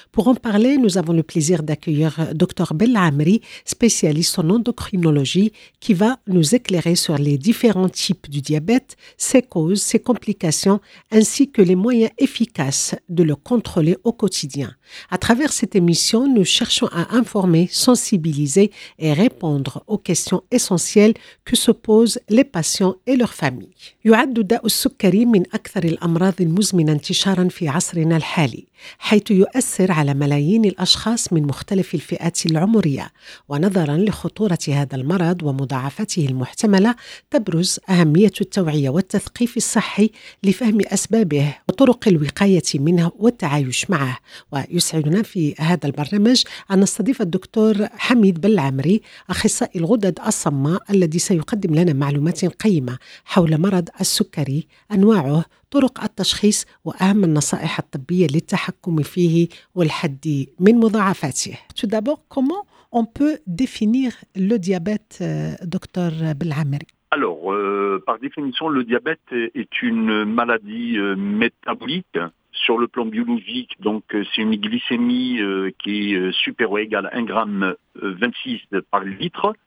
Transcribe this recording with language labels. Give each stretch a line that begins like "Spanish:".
French: Pour en parler, nous avons le plaisir d'accueillir Dr Belhamri, spécialiste en endocrinologie, qui va nous éclairer sur les différents types du diabète, ses causes, ses complications, ainsi que les moyens efficaces de le contrôler au quotidien. À travers cette émission, nous cherchons à informer, sensibiliser et répondre aux questions essentielles que se posent les patients et leurs familles.
Arabic: يعد داء السكري من أكثر الأمراض المزمنة انتشارا في عصرنا الحالي حيث يؤثر على ملايين الأشخاص من مختلف الفئات العمرية ونظرا لخطورة هذا المرض ومضاعفاته المحتملة تبرز أهمية التوعية والتثقيف الصحي لفهم أسبابه وطرق الوقاية منه والتعايش معه ويسعدنا في هذا البرنامج أن نستضيف الدكتور حميد بلعمري أخصائي الغدد الصماء الذي سيقدم لنا معلومات قيمة حول مرض السكري أنواعه طرق التشخيص وأهم النصائح الطبية للتحكم فيه والحد من مضاعفاته.
French: Tout d'abord, comment on peut définir le diabète, docteur Belhamri? Alors, par définition, le diabète est une maladie métabolique. Sur le plan biologique, donc c'est une glycémie qui est supérieure ou égale à 1,26 g par litre.